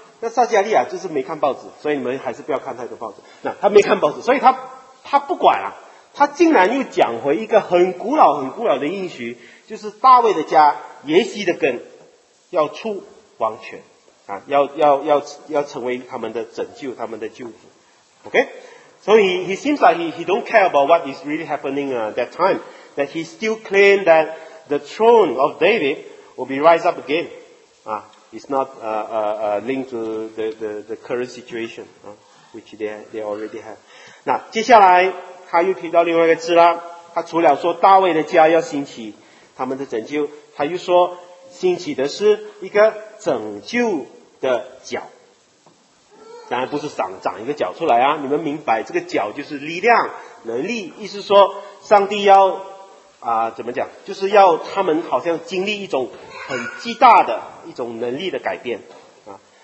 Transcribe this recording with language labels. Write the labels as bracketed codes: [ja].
[zh] 那撒加利亚就是没看报纸，所以你们还是不要看太多报纸。那他没看报纸，所以他不管啊，他竟然又讲回一个很古老很古老的应许，就是大卫的家耶西的根要出王权啊，要成为他们的拯救，他们的救主。 [en] OK，So he seems like he don't care about what is really happening at that time. That he still claimed that the throne of David will be rise up again. It's not linked to the current situation, which they already have. [zh] 那接下来他又提到另外一个字啦。他除了说大卫的家要兴起他们的拯救，他又说兴起的是一个拯救的脚，当然不是长一个脚出来啊，你们明白这个脚就是力量能力，意思说上帝要怎么讲，就是要他们好像经历一种很巨大的一种能力的改变啊。